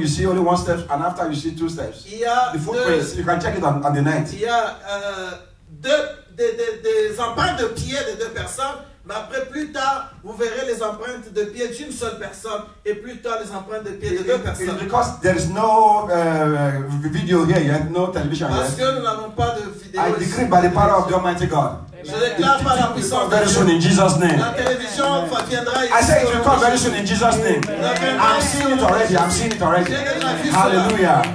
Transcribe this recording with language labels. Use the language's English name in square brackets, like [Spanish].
[English] You see only one step, and after you see two steps. [French] Il y a [English] the footprint. You can check it on the net. [French] Il y a des empreintes de pied de deux personnes, mais après plus tard, vous verrez les empreintes de pied d'une seule personne et plus tard les empreintes de pied de deux personnes. [English] Because there is no video here yet, no television [French] Parce [English] yet. [French] Parce que nous n'avons pas de vidéo. [English] I decree by the power of the Almighty God. [French] Je déclare par la puissance de Dieu. [English] Very soon in Jesus' name. [French] La télévision viendra. [English] I say it will come very soon in Jesus' name. I'm seeing it already. I'm seeing it already. Hallelujah.